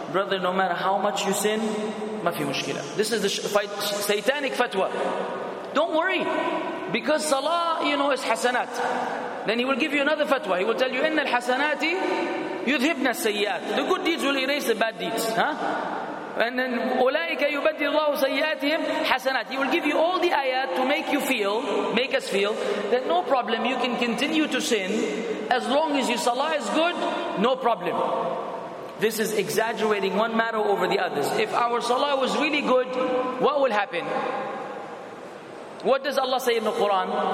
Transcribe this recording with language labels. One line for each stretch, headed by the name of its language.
English: Brother, no matter how much you sin,
Arabic: ma fi mushkila.
English: This is the satanic fatwa. Don't worry, because salah, you know, is hasanat. Then he will give you another fatwa. He will tell you,
Arabic: inna al-hasanati yudhibna al-sayyat.
English: The good deeds will erase the bad deeds. And then
Arabic: أُولَٰئِكَ يُبَدِّلُ اللَّهُ سَيَّاتِهِمْ حَسَنَاتِ.
English: He will give you all the ayat to make you feel, make us feel, that no problem, you can continue to sin. As long as your salah is good, no problem. This is exaggerating one matter over the others. If our salah was really good, what will happen? What does Allah say in the Quran?